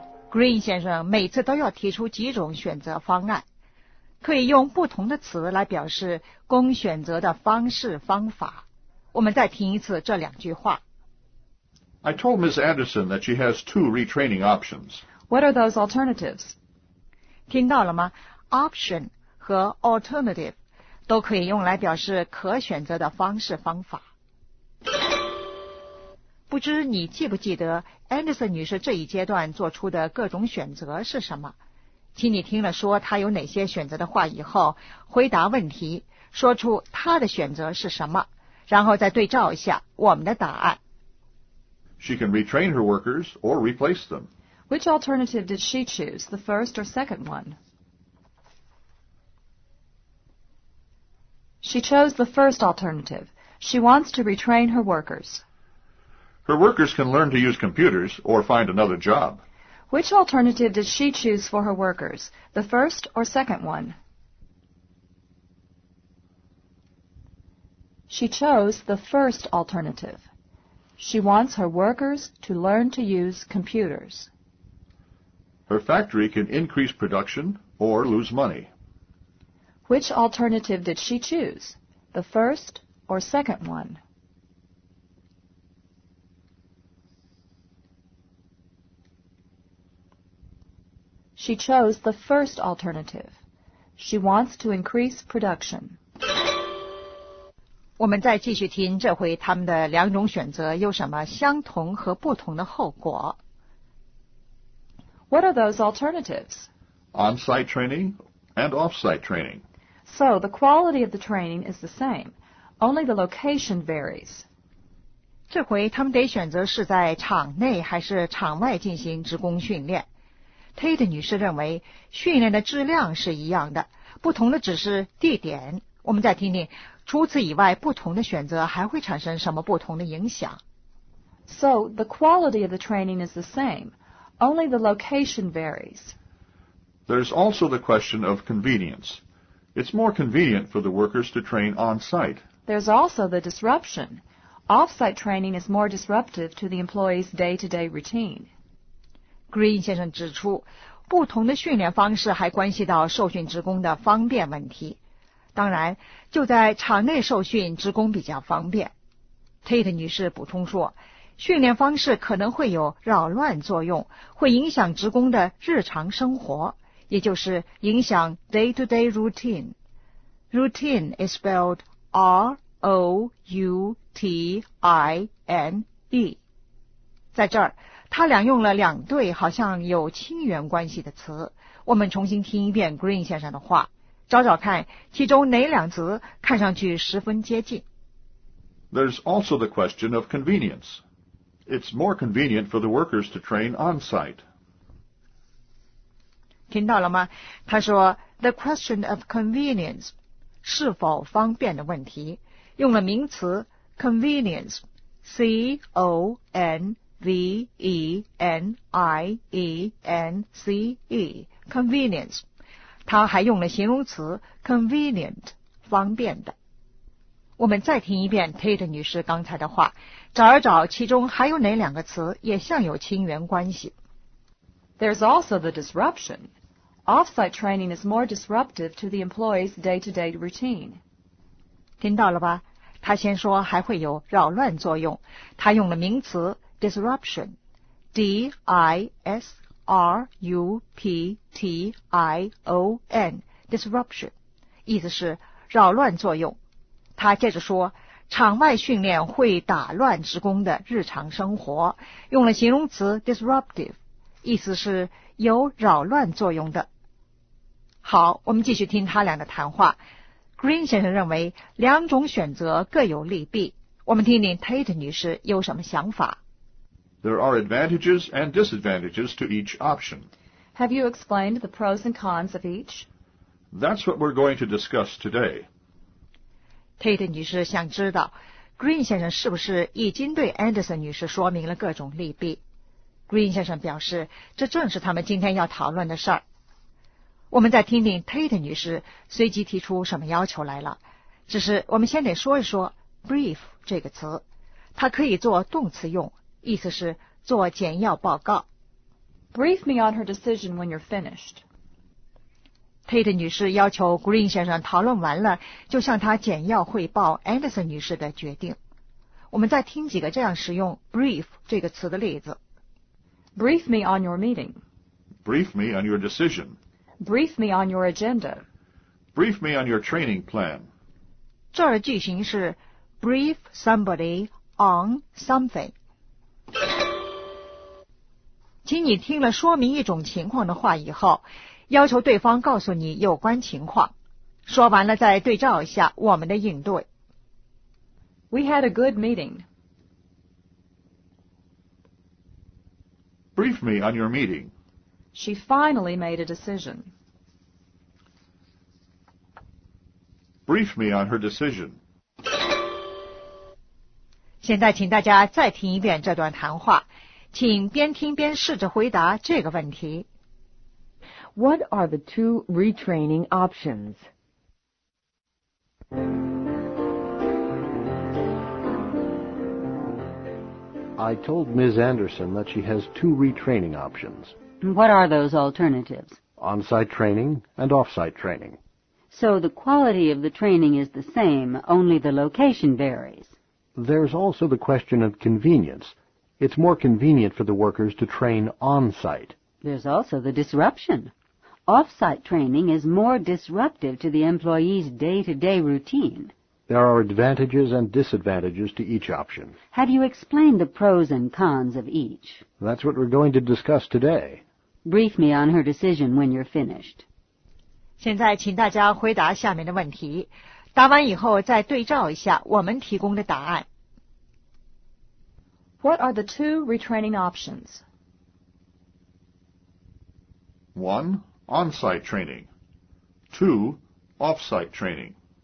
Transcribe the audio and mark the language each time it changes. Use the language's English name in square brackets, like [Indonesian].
[Chinese] Green 先生每次都要提出几种选择方案，可以用不同的词来表示供选择的方式方法。我们再听一次这两句话。 [English] I told Ms. Anderson that she has two retraining options. What are those alternatives? [Chinese] 听到了吗？ Option 和 alternative 都可以用来表示可选择的方式方法。不知你记不记得 Anderson 女士这一阶段做出的各种选择是什么？请你听了说她有哪些选择的话以后，回答问题，说出她的选择是什么，然后再对照一下我们的答案。 [English] She can retrain her workers or replace them. Which alternative did she choose, the first or second one? She chose the first alternative. She wants to retrain her workers. Her workers can learn to use computers or find another job. Which alternative did she choose for her workers, the first or second one? She chose the first alternative. She wants her workers to learn to use computers. Her factory can increase production or lose money. Which alternative did she choose, the first or second one? She chose the first alternative. She wants to increase production. [Chinese] 我们再继续听这回他们的两种选择有什么相同和不同的后果。 [English] What are those alternatives? On-site training and off-site training. So the quality of the training is the same, only the location varies. [Chinese] 这回他们得选择是在场内还是场外进行职工训练。 Tate 女士认为训练的质量是一样的，不同的只是地点我们再听听，除此以外，不同的选择还会产生什么不同的影响？ [English] So, the quality of the training is the same, only the location varies. There's also the question of convenience. It's more convenient for the workers to train on-site. There's also the disruption. Off-site training is more disruptive to the employees' day-to-day routine. [Chinese] Green 先生指出，不同的训练方式还关系到受训职工的方便问题。当然，就在场内受训，职工比较方便。 Tate 女士补充说，训练方式可能会有扰乱作用，会影响职工的日常生活，也就是影响 [English] day-to-day routine. Routine is spelled R-O-U-T-I-N-E. [Chinese] 在这儿，他俩用了两对好像有亲缘关系的词。我们重新听一遍 Green 先生的话，找找看其中哪两词看上去十分接近。 [English] There's also the question of convenience. It's more convenient for the workers to train on-site. [Chinese] 听到了吗？他说 [English] the question of convenience, [Chinese] 是否方便的问题，用了名词 convenience, C-O-N-V-E-N-I-E-N-C-E, convenience. 他还用了形容词 convenient, 方便的。我们再听一遍 Tate 女士刚才的话，找一找其中还有哪两个词也像有亲缘关系。 [English] There's also the disruption. Off-site training is more disruptive to the employees' day-to-day routine. [Chinese] 听到了吧？他先说还会有扰乱作用，他用了名词 disruption, D-I-S-R-U-P-T-I-O-N,disruption, 意思是扰乱作用。他接着说，场外训练会打乱职工的日常生活，用了形容词 disruptive, 意思是有扰乱作用的。好，我们继续听他俩的谈话。Green 先生认为两种选择各有利弊，我们听听 Tate 女士有什么想法。 [English] There are advantages and disadvantages to each option. Have you explained the pros and cons of each? That's what we're going to discuss today. [Chinese] Tate 女士想知道 ,Green 先生是不是已经对 Anderson 女士说明了各种利弊。 Green 先生表示，这正是他们今天要讨论的事儿。我们再听听 Tate 女士随即提出什么要求来了。只是我们先得说一说 brief 这个词，它可以做动词用。意思是做简要报告。 [English] Brief me on her decision when you're finished. [Chinese] Tate 女士要求 Green 先生讨论完了，就向她简要汇报 Anderson 女士的决定。我们再听几个这样使用 brief 这个词的例子。 [English] Brief me on your meeting. Brief me on your decision. Brief me on your agenda. Brief me on your training plan. [Chinese] 这儿的句型是 [English] brief somebody on something. [Chinese] 请你听了说明一种情况的话以后，要求对方告诉你有关情况。说完了再对照一下我们的应对。 [English] We had a good meeting. Brief me on your meeting. She finally made a decision. Brief me on her decision. [Chinese] 现在请大家再听一遍这段谈话，请边听边试着回答这个问题。 [English] What are the two retraining options? I told Ms. Anderson that she has two retraining options. What are those alternatives? On-site training and off-site training. So the quality of the training is the same, only the location varies. There's also the question of convenience. It's more convenient for the workers to train on-site. There's also the disruption. Off-site training is more disruptive to the employees' day-to-day routine. There are advantages and disadvantages to each option. Have you explained the pros and cons of each? That's what we're going to discuss today. Brief me on her decision when you're finished. [Chinese] 现在请大家回答下面的问题。答完以后再对照一下我们提供的答案。 [English] What are the two retraining options? One, on-site training. Two, off-site training.